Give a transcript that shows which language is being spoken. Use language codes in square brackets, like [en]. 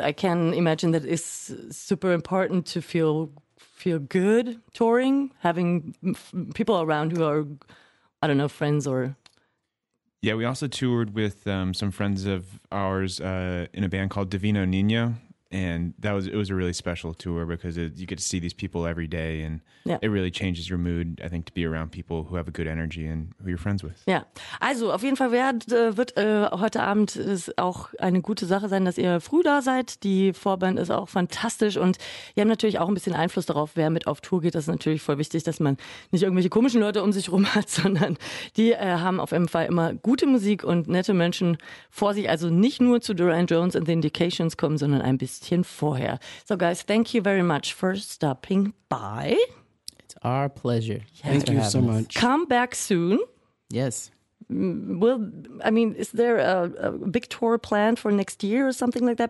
[en] I can imagine that it's super important to feel good touring, having people around who are, I don't know, friends or... Yeah, we also toured with some friends of ours in a band called Divino Nino. And it was a really special tour because you get to see these people every day, and it really changes your mood, I think, to be around people who have a good energy and who you're friends with. [de] Ja, also auf jeden Fall wird heute Abend ist auch eine gute Sache sein, dass ihr früh da seid. Die Vorband ist auch fantastisch und ihr habt natürlich auch ein bisschen Einfluss darauf, wer mit auf Tour geht. Das ist natürlich voll wichtig, dass man nicht irgendwelche komischen Leute um sich rum hat, sondern die haben auf jeden Fall immer gute Musik und nette Menschen vor sich. Also nicht nur zu Duran Jones and the Indications kommen, sondern ein bisschen vorher. [en] So guys, thank you very much for stopping by. It's our pleasure. Yes. Thank you so much. Come back soon. Yes. Is there a big tour planned for next year or something like that?